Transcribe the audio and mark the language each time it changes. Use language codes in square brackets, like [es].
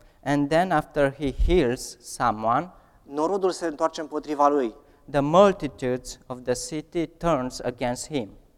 [en] and then after he heals someone, [ro] norodul se întoarce împotriva lui. [en] The multitudes of the city turns against him.